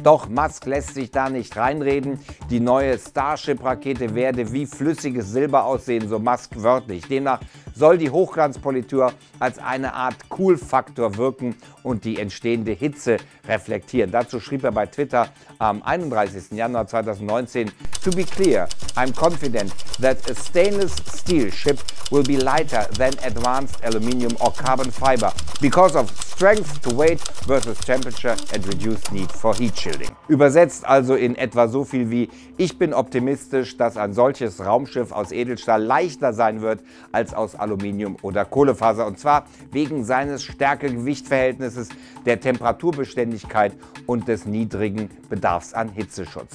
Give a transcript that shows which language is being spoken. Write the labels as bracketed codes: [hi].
[de] Doch Musk lässt sich da nicht reinreden. Die neue Starship-Rakete werde wie flüssiges Silber aussehen, so Musk wörtlich. Demnach soll die Hochglanzpolitur als eine Art Cool-Faktor wirken und die entstehende Hitze reflektieren. Dazu schrieb er bei Twitter am 31. Januar 2019, [en] "To be clear, I'm confident that a stainless steel ship will be lighter than advanced aluminium or carbon fiber because of strength to weight versus temperature and reduced need for heat shielding." [de] Übersetzt also in etwa so viel wie, ich bin optimistisch, dass ein solches Raumschiff aus Edelstahl leichter sein wird als aus Aluminium oder Kohlefaser. Und zwar wegen seines Stärke-Gewicht-Verhältnisses, der Temperaturbeständigkeit und des niedrigen Bedarfs an Hitzeschutz.